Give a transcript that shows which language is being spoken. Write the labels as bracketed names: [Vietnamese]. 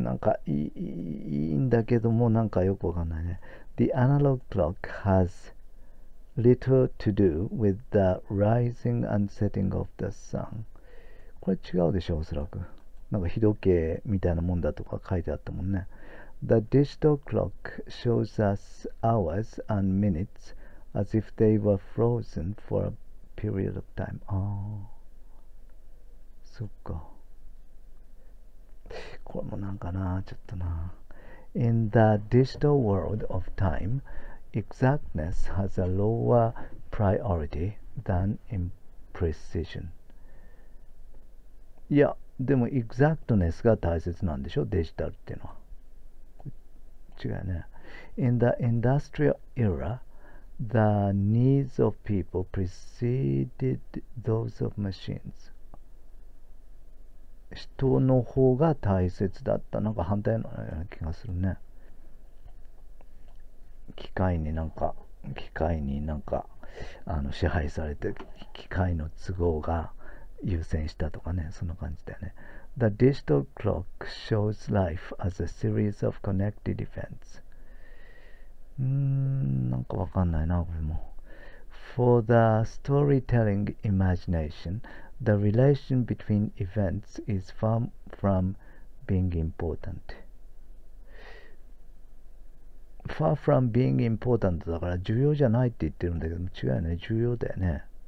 [Japanese] なんかいいんだけども、なんかよくわかんないね。 [English] The analog clock has little to do with the rising and setting of the sun. [Japanese] これ違うでしょ、おそらく。なんか日時計みたいなもんだとか書いてあったもんね。 [English] The digital clock shows us hours and minutes as if they were frozen for a period of time. [Japanese] そっか。これもなんかな、ちょっとな。 [English] In the digital world of time, exactness has a lower priority than imprecision. [Japanese] いや、でも exactness が大切なんでしょ、デジタルっていうのは。違うね。 [English] In the industrial era, the needs of people preceded those of machines. [Japanese] 人の方が大切だった。なんか反対のような気がするね。機械になんか支配されて、機械の都合が優先したとかね、そんな感じだよね。 [English] The digital clock shows life as a series of connected events. [Japanese] なんかわかんないな、これも。 [English] For the storytelling imagination, the relation between events is far from being important. Far from being important [Japanese] だから重要じゃないって言ってるんだけど、違うよね、重要だよね。